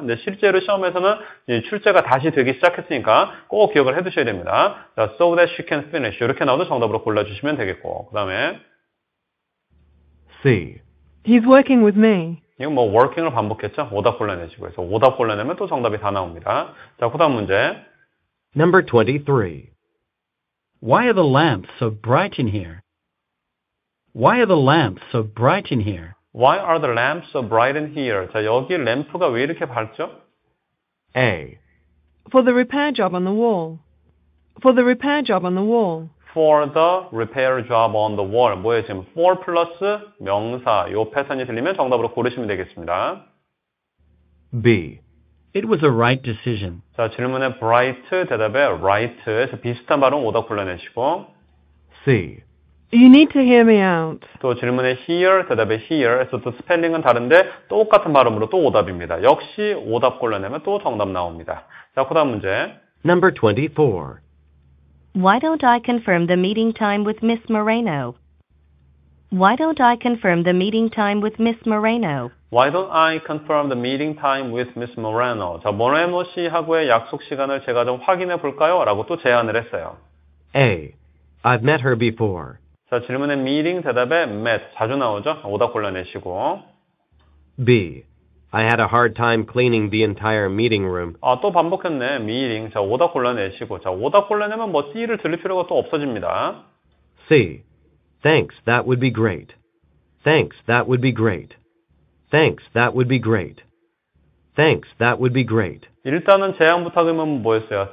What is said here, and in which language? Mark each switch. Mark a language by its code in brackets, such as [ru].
[ko] 근데 실제로 시험에서는 이제 출제가 다시 되기 시작했으니까 꼭 기억을 해두셔야 됩니다. [en] So that she can finish [ko] 이렇게 나오는 정답으로 골라주시면 되겠고, 그 다음에 [en] C. He's working with me. [ko] 이건 뭐 working을 반복했죠? 오답 골라내시고 해서 오답 골라내면 또 정답이 다 나옵니다. 자, 그 다음 문제 [en] Number 23. Why are the lamps so bright in here? Why are the lamps so bright in here? Why are the lamps so bright in here? [ko] 자, 여기 램프가 왜 이렇게 밝죠? [en] A. For the repair job on the wall. For the repair job on the wall. For the repair job on the wall. [ko] 뭐예요 지금? [en] For 플러스 명사. [ko] 요 패턴이 들리면 정답으로 고르시면 되겠습니다. [en] B. It was a right decision. [ko] 자, 질문에 bright, 대답에 right. 비슷한 발음 오답 골라내시고. [en] C. You need to hear me out. [ko] 또 질문에 here, 대답에 here. 또 스펠링은 다른데 똑같은 발음으로 또 오답입니다. 역시 오답 골라내면 또 정답 나옵니다. 자, 그 다음 문제. [en] Number 24. Why don't I confirm the meeting time with Miss Moreno? Why don't I confirm the meeting time with Miss Moreno? Why don't I confirm the meeting time with Miss Moreno? [ko] 자, Moreno 씨하고의 약속 시간을 제가 좀 확인해 볼까요? 라고 또 제안을 했어요. [en] A. I've met her before. [ko] 자, 질문에 meeting, 대답에 met. 자주 나오죠? 오답 골라내시고. [en] B. I had a hard time cleaning the entire meeting room. [ko] 아, 또 반복했네. meeting. 자, 오답 골라내시고. 자, 오답 골라내면 뭐 C를 들릴 필요가 또 없어집니다. [en] C. Thanks, that would be great. Thanks, that would be great. Thanks, that would be great. Thanks, that would be great. [ko] 일단은 제안 부탁이면 뭐였어요?